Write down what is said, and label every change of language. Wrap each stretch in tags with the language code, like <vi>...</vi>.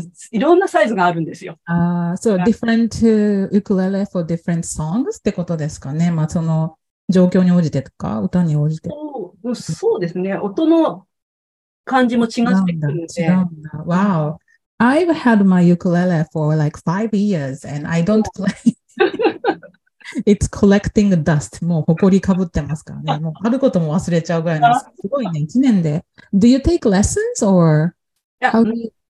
<ja>いろんなサイズがあるんですよ。</ja> <en>So different ukulele for different songs</en> <ja>ってことですかね。まあその状況に応じてとか歌に応じて。そうですね。音の感じも違ってくるんで。</ja> <en>Wow. I've had my ukulele for like 5 years and I don't play. It's collecting dust.</en> <ja>もう埃かぶってますからね。もうあることも忘れちゃうぐらいなんです。すごいね。1年で。</ja> <en>Do you take lessons or how do you...</en>